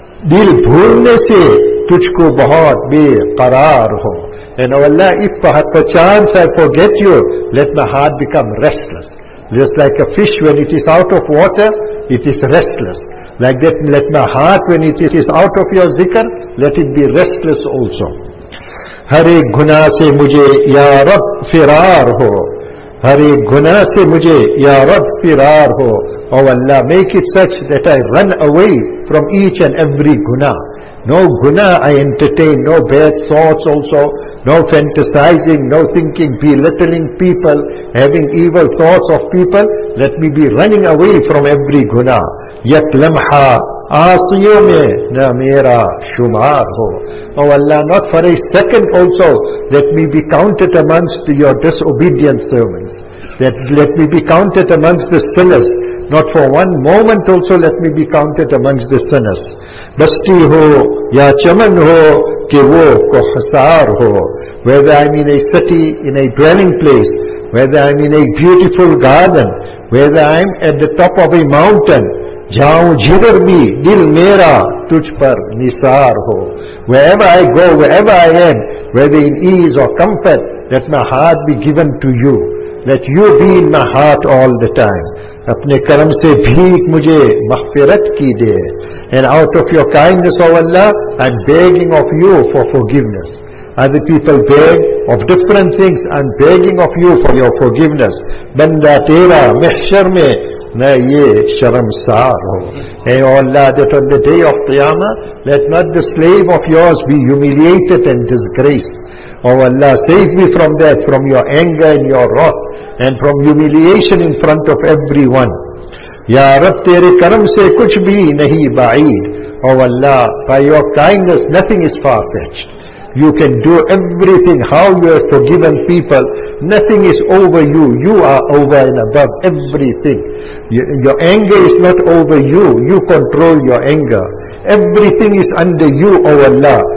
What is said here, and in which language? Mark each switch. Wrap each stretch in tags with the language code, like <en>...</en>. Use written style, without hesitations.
<ur>Dil bhoolne se tujhko bahut beqarar ho.</ur> <en>And O Allah, if perchance I forget you, let my heart become restless. Just like a fish when it is out of water, it is restless. Like that, let my heart when it is out of your zikr, let it be restless also.</en> <ur>ہر ایک گناہ سے مجھے یا رب فرار ہو. ہر ایک گناہ سے مجھے یا رب فرار ہو.</ur> <en>او Allah, make it such that I run away from each and every guna. No guna I entertain, no bad thoughts also, no fantasizing, no thinking, belittling people, having evil thoughts of people. Let me be running away from every guna.</en> <ur>یک لمحہ آسیوں میں نہ میرا شمار ہو.</ur> <en>O Allah, not for a second also let me be counted amongst your disobedient servants. Let me be counted amongst the sinners. Not for one moment also let me be counted amongst the sinners.</en> <ur>Basti ho ya chaman ho ke wo kohsar ho.</ur> <en>Whether I'm in a city, in a dwelling place, whether I'm in a beautiful garden, whether I'm at the top of a mountain,</en> <ur>جاؤں جدھر بھی دل میرا تجھ پر نثار ہو.</ur> <en>Wherever I go, wherever I am, whether in ease or comfort, let my heart be given to you. Let you be in my heart all the time.</en> <ur>اپنے کرم سے بھیک مجھے مغفرت کی دے.</ur> <en>And out of your kindness, O Allah, I'm begging of you for forgiveness. Other people beg of different things, I'm begging of you for your forgiveness.</en> <ur>بندہ تیرا محشر میں نہ یہ شرمسار ہو.</ur> <en>اے Allah, that on the day of Qiyamah, let not the slave of yours be humiliated and disgraced. O Allah, save me from that, from your anger and your wrath, and from humiliation in front of everyone.</en> <ur>یا رب تیرے کرم سے کچھ بھی نہیں بعید.</ur> <en>O Allah, by your kindness, nothing is far-fetched. You can do everything how you have forgiven people. Nothing is over you. You are over and above everything. Your anger is not over you. You control your anger. Everything is under you, O Allah.</en>